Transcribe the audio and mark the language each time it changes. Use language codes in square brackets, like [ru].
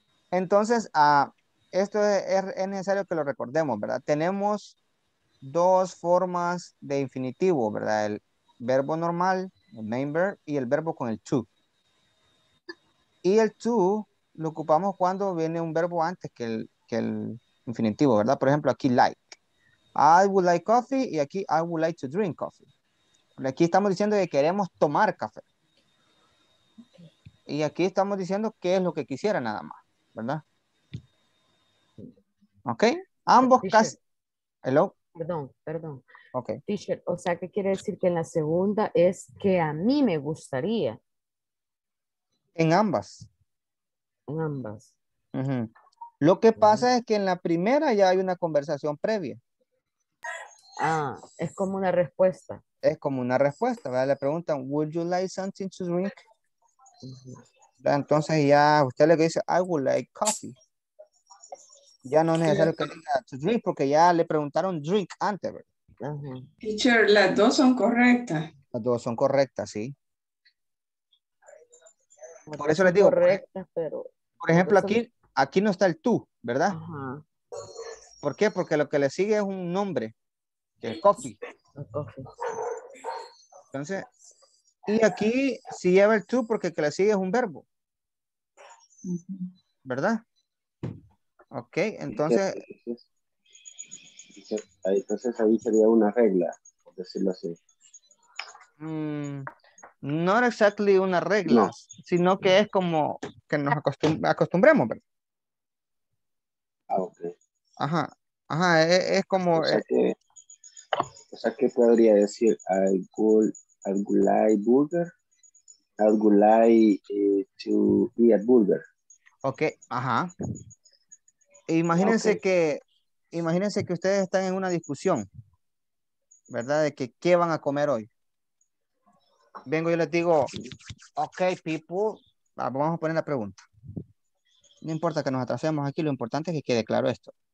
[es] Entonces, esto es necesario que lo recordemos, ¿verdad? Tenemos dos formas de infinitivo, ¿verdad? El verbo normal, el main verb, y el verbo con el to. Y el to lo ocupamos cuando viene un verbo antes que el infinitivo, ¿verdad? Por ejemplo, aquí like. [en] I would like coffee [es] y aquí [en] I would like to drink coffee. [es] Aquí estamos diciendo que queremos tomar café. Y aquí estamos diciendo qué es lo que quisiera nada más, ¿verdad? ¿Ok? Ambos casi... [en] Hello? [es] Perdón. Ok. T-shirt, o sea, ¿qué quiere decir? Que en la segunda es que a mí me gustaría. En ambas. En ambas. Uh-huh. Lo que pasa es que en la primera ya hay una conversación previa. Ah, es como una respuesta. Es como una respuesta, ¿verdad? Le preguntan, [en] would you like something to drink? [es] Uh-huh. Entonces ya usted le dice, [en] I would like coffee. [es] Ya no es necesario que diga to drink porque ya le preguntaron drink antes, ¿verdad? Sí. Teacher, las dos son correctas. Las dos son correctas, sí. Por eso les digo. Correctas, pero. Por ejemplo, aquí no está el tú, ¿verdad? Ajá. ¿Por qué? Porque lo que le sigue es un nombre, que es coffee. Entonces, y aquí sí lleva el tú porque el que le sigue es un verbo. ¿Verdad? Ok, entonces. Entonces ahí sería una regla, por decirlo así. No exactly una regla, no, sino que es como que nos acostumbremos. Ah, ok. Ajá, ajá, es como. O sea que podría decir, [en] I would like burger, I would like to eat burger. [es] Ok, ajá. Imagínense, okay, que, imagínense que ustedes están en una discusión, ¿verdad? De que qué van a comer hoy. Vengo y les digo, ok, people, vamos a poner la pregunta. No importa que nos atrasemos aquí, lo importante es que quede claro esto.